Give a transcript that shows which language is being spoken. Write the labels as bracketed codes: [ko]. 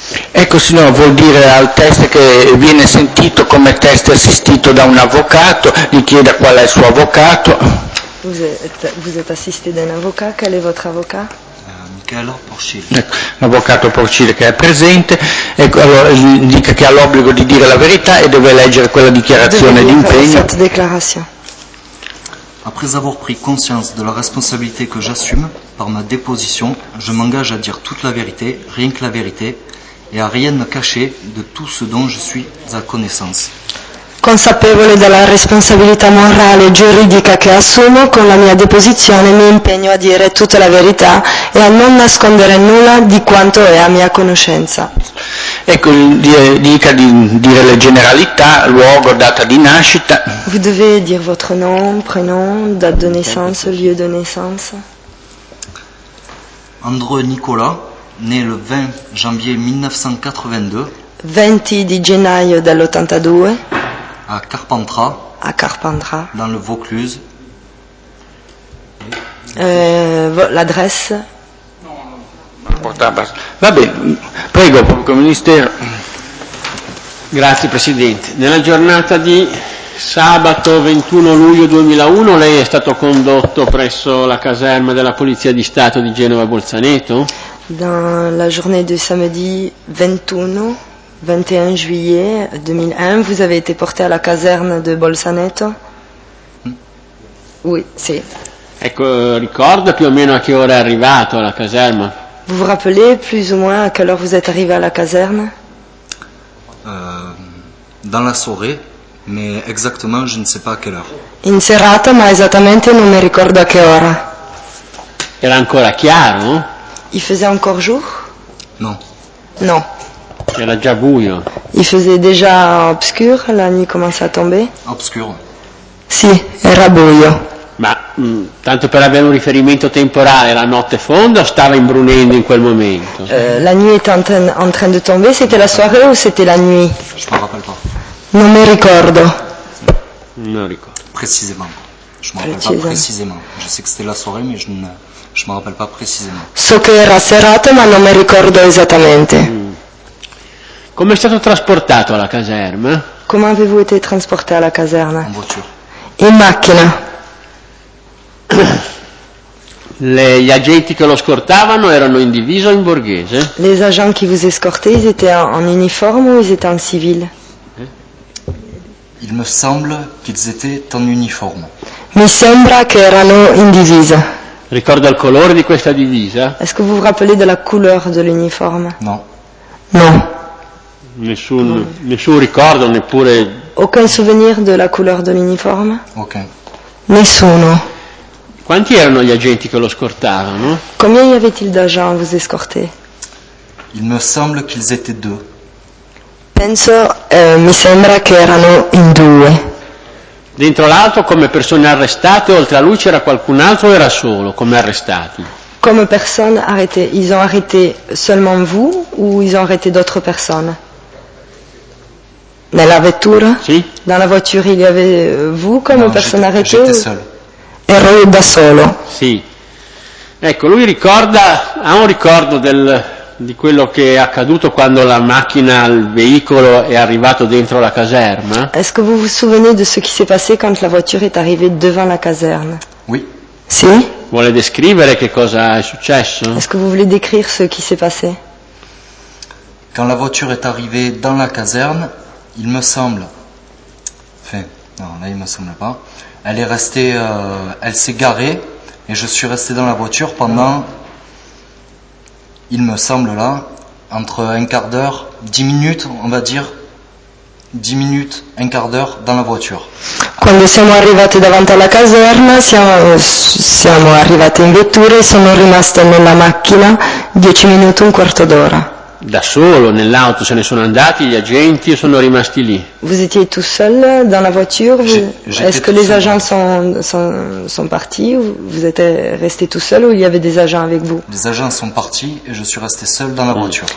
[it] Ecco, signora, vuol dire al test che viene sentito come test assistito da un avvocato, gli chieda qual è il suo avvocato. [fr] Vous êtes assisté [it] da un avvocato, qual è il vostro avvocato? Michele Porcile. Ecco, l'avvocato Porcile che è presente, ecco, allora, dica che ha l'obbligo di dire la verità e deve leggere quella dichiarazione d'impegno. [fr] Cette déclaration. Après avoir pris conscience de la responsabilité que j'assume par ma déposition, je m'engage à dire toute la vérité, rien que la vérité, et à rien ne cacher de tout ce dont je suis à connaissance. [it] Consapevole della responsabilità morale e giuridica che assumo, con la mia deposizione mi impegno a dire tutta la verità e a non nascondere nulla di quanto è a mia conoscenza. Ecco, dica di dire le generalità, luogo, data di nascita. [fr] Vous devez dire votre nom, prénom, date de naissance, lieu de naissance. André Nicolas, né le 20 janvier 1982. [it] 20 di gennaio dell'82. [fr] A Carpentras. Dans le Vaucluse. L'adresse. [it] Va bene, prego, pubblico ministero. Grazie Presidente. Nella giornata di sabato 21 luglio 2001 lei è stato condotto presso la caserma della Polizia di Stato di Genova Bolzaneto? [fr] Dans la journée de samedi 21 juillet 2001, vous avez été porté à la caserne de Bolzaneto? Oui, sì. [it] Ecco, ricorda più o meno a che ora è arrivato alla caserma? [fr] Vous vous rappelez plus ou moins à quelle heure vous êtes arrivé à la caserne? Dans la soirée, mais exactement je ne sais pas à quelle heure. [it] In serata, ma esattamente non mi ricordo a che ora. Era ancora chiaro? [fr] Il faisait encore jour? Non. [it] Non. Era già buio. [fr] Il faisait déjà obscur, la nuit commençait à tomber. Obscur. [it] Sì, era buio. Ma tanto per avere un riferimento temporale, la notte fonda o stava imbrunendo in quel momento? [fr] La nuit est en train de tomber, c'était la soirée o c'était la nuit? Je m'en rappelle pas. [it] Non mi ricordo. Non ricordo. [fr] Précisément. Je m'en rappelle pas précisément. Je sais que c'était la soirée, mais je m'en rappelle pas précisément. [it] So che era serata, ma non mi ricordo esattamente. Come è stato trasportato alla caserma? [fr] Come avez-vous été transporté [it] alla caserma? [fr] En voiture. [it] In macchina. Gli agenti che lo scortavano erano in divisa o in borghese? [fr] Les agents qui vous escortaient, ils étaient en uniforme ou ils étaient en civil? Il me semble qu'ils étaient en uniforme. [it] Mi sembra che erano in divisa. Ricorda il colore di questa divisa? [fr] Est-ce que vous vous rappelez de la couleur de l'uniforme? Non. [it] Non. Nessun ricordo, neppure. [fr] Aucun souvenir de la couleur de l'uniforme? Aucun. [it] Nessuno. Quanti erano gli agenti che lo scortavano? [fr] Combien y avait-il d'agents à vous escorter? Il me semble qu'ils étaient deux. [it] Penso, mi sembra che erano in due. Dentro l'auto, come persone arrestate, oltre a lui c'era qualcun altro o era solo, come arrestati? Come persone [fr] arrêtate, ils ont arrêté seulement vous ou ils ont arrêté d'autres personnes? [it] Nella vettura? Sì. [fr] Dans la voiture, il y avait vous come [it] no, [fr] persona arrêtée? J'étais seul. [it] Ero da solo. Sì. Ecco, lui ricorda, ha un ricordo del, di quello che è accaduto quando la macchina, il veicolo è arrivato dentro la caserma? [fr] Est-ce que vous vous souvenez de ce qui s'est passé quand la voiture est arrivée devant la caserne? Oui. [it] Sì? Vuole descrivere che cosa è successo? [fr] Est-ce que vous voulez décrire ce qui s'est passé? Quand la voiture est arrivée dans la caserne, il me semble... Enfin, non, là il me semble pas... Elle est restée, elle s'est garée et je suis resté dans la voiture pendant, il me semble là, entre un quart d'heure, 10 minutes, on va dire, 10 minutes, un quart d'heure dans la voiture. [it] Quando siamo arrivati davanti alla caserma, siamo arrivati in vettura e sono rimasto nella macchina 10 minuti, un quarto d'ora. Da solo nell'auto se ne sono andati gli agenti e sono rimasti lì. [fr] Vous étiez tout seul dans la voiture? Est-ce que les agents sont partis ou vous êtes resté tout seul ou il y avait des agents avec vous? Les agents sont partis et je suis resté seul dans la voiture.